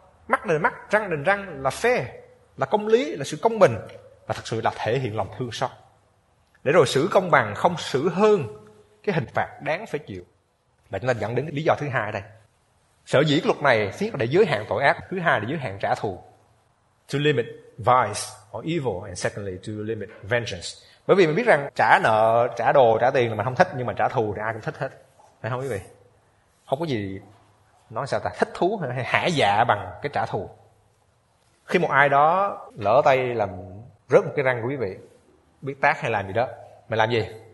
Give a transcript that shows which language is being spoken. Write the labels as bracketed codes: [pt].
[vi] Mắt đền mắt, răng đền răng là fair, là công lý, là sự công bình, và thật sự là thể hiện lòng thương xót. Để rồi xử công bằng, không xử hơn cái hình phạt đáng phải chịu. Và chúng ta dẫn đến cái lý do thứ hai đây. Sở dĩ luật này, thứ nhất là để giới hạn tội ác, thứ hai là giới hạn trả thù. [en] To limit vice or evil, and secondly to limit vengeance. [vi] Bởi vì mình biết rằng trả nợ, trả đồ, trả tiền là mình không thích, nhưng mà trả thù thì ai cũng thích hết. Phải không quý vị? Không có gì nói sao ta, thích thú hay hả dạ bằng cái trả thù. Khi một ai đó lỡ tay làm rớt một cái răng của quý vị, biết tát hay làm gì đó, mày làm gì?